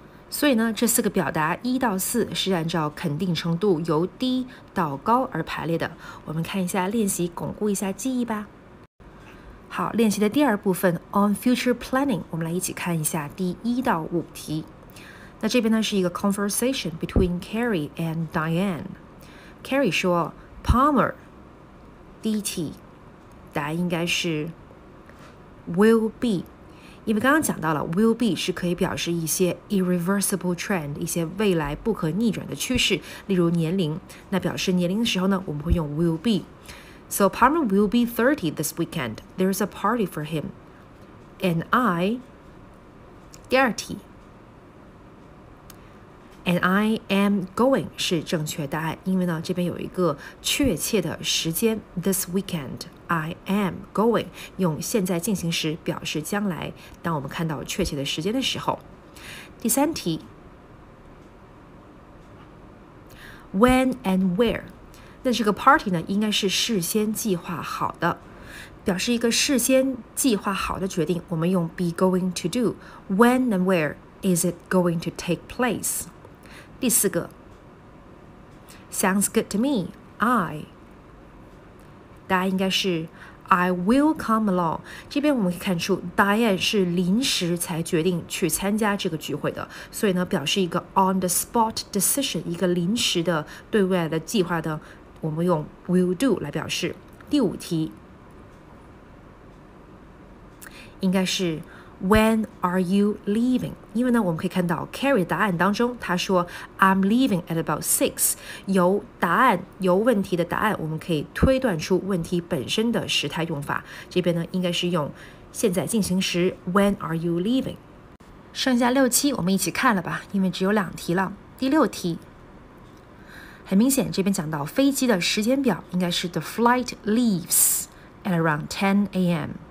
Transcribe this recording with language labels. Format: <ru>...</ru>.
<zh>所以呢这四个表达一到四是按照肯定程度由低到高而排列的，我们看一下练习，巩固一下记忆吧。好，练习的第二部分</zh> <en>on future planning，</en> <zh>我们来一起看一下第一到五题。那这边呢是一个</zh> <en>conversation between Carrie and Diane。</en> <zh>Carrie 说 Palmer DT 答案应该是 will be， 因为刚刚讲到了 will be 是可以表示一些</zh> <en>irreversible trend，</en> <zh>一些未来不可逆转的趋势，例如年龄，那表示年龄的时候呢，我们会用 will be。</zh> <en>So Palmer will be 30 this weekend. There's a party for him.</en> <zh>And I 第二题And I am going 是正确答案，因为呢这边有一个确切的时间</zh> <en>This weekend I am going</en> <zh>用现在进行时表示将来，当我们看到确切的时间的时候。第三题 When and where， 那这个 party 呢应该是事先计划好的，表示一个事先计划好的决定，我们用</zh> <en>be going to do。 When and where is it going to take place？ 第四个 Sounds good to me, I</en> <zh>答案应该是</zh> <en>I will come along。</en> <zh>这边我们可以看出 Diane 是临时才决定去参加这个聚会的，所以呢表示一个</zh> <en>on the spot decision，</en> <zh>一个临时的对未来的计划的，我们用 will do 来表示。第五题应该是</zh> <en>When are you leaving？</en> <zh>因为呢我们可以看到 Carrie 答案当中他说</zh> <en>I'm leaving at about 6，</en> <zh>由答案，由问题的答案，我们可以推断出问题本身的时态用法，这边呢应该是用现在进行时 When are you leaving。剩下六七我们一起看了吧，因为只有两题了。第六题很明显这边讲到飞机的时间表应该是</zh> <en>The flight leaves at around 10 a.m.</en>